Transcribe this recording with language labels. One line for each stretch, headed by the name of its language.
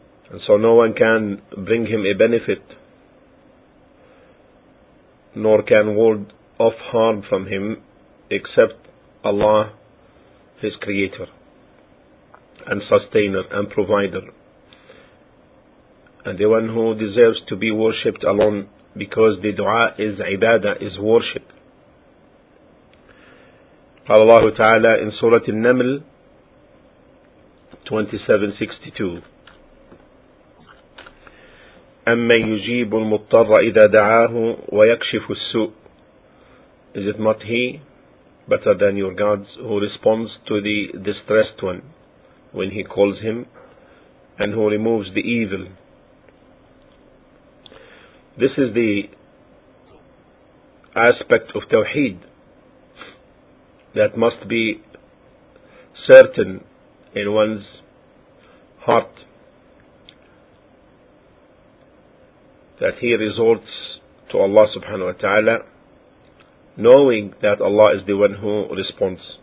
English: And so no one can bring him a benefit, nor can ward off harm from him, except Allah, his creator, and sustainer, and provider, and the one who deserves to be worshipped alone, because the dua is ibadah, is worship.
Arabic: قال الله تعالى
English: in Surah An-Naml 2762,
Arabic: أَمَّنْ يُجِيبُ الْمُضْطَرَّ إِذَا دَعَاهُ وَيَكْشِفُ السُّءُ.
English: Is it not he, better than your gods, who responds to the distressed one when he calls him, and who removes the evil? This is the aspect of Tawheed that must be certain in one's heart, that he resorts to Allah subhanahu wa ta'ala, knowing that Allah is the one who responds.